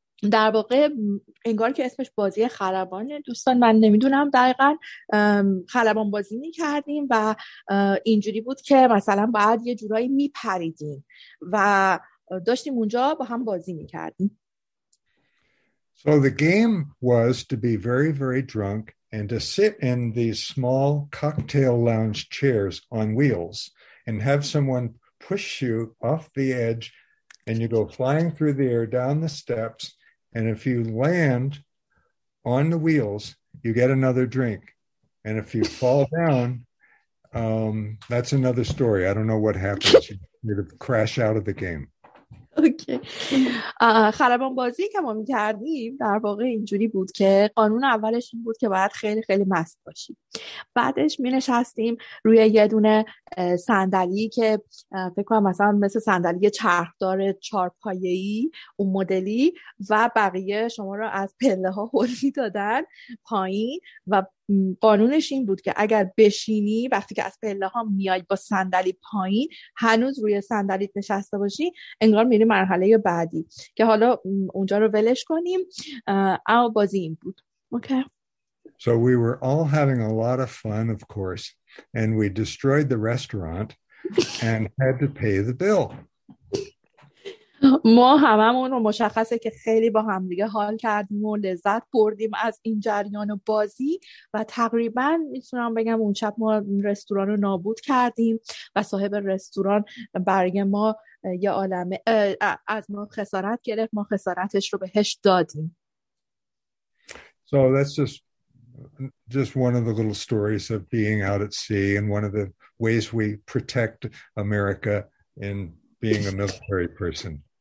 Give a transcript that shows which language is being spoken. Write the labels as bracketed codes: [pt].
[fa] در واقع انگار که اسمش بازی خلبانه، دوستان من نمیدونم دقیقا، خلبان بازی میکردیم و اینجوری بود که مثلا باید یه جورایی میپریدیم و داشتیم اونجا با هم بازی میکردیم. [en] So the game was to be very, very drunk and to sit in these small cocktail lounge chairs on wheels and have someone push you off the edge and you go flying through the air down the steps. And if you land on the wheels, you get another drink. And if you fall down, that's another story. I don't know what happens. You crash out of the game. Okay. [fa] خلبان بازی که ما می‌کردیم در واقع اینجوری بود که قانون اولش این بود که باید خیلی خیلی مست باشیم. بعدش می‌نشستیم روی یه دونه صندلی که فکر کنم مثل صندلی چرخدار چهارپایه‌ای اون مدلی، و بقیه شما رو از پله‌ها هل می‌دادن پایین، و قانونش این بود که اگر بشینی وقتی که از پله ها میای با صندلی پایین، هنوز روی صندلیت نشسته باشی، انگار میری مرحله بعدی، که حالا اونجا رو ولش کنیم. اما بازی این بود. Okay. [en] So we were all having a lot of fun, of course, and we destroyed the restaurant and had to pay the bill. [fa] ما هممون رو مشخصه که خیلی با هم دیگه حال کردیم و لذت بردیم از این جریان و بازی، و تقریبا میتونم بگم اون شب ما رستوران رو نابود کردیم و صاحب رستوران برای ما یه عالمه از ما خسارت گرفت، ما خسارتش رو بهش دادیم. [en] So that's just one of the little stories of being out at sea and one of the ways we protect America in being a military person.